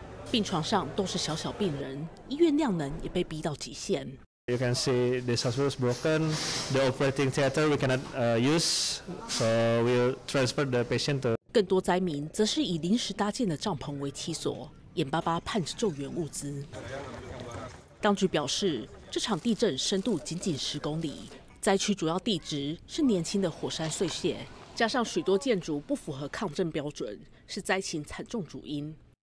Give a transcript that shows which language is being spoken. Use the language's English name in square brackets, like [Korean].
[Chinese] 病床上都是小小病人，医院量能也被逼到极限。 [English] You can see this hospital is broken. The operating theater we cannot use, so we'll transfer the patient to. [Chinese] 更多灾民则是以临时搭建的帐篷为栖所，眼巴巴盼着救援物资。当局表示，这场地震深度仅仅十公里，灾区主要地质是年轻的火山碎屑，加上许多建筑不符合抗震标准，是灾情惨重主因。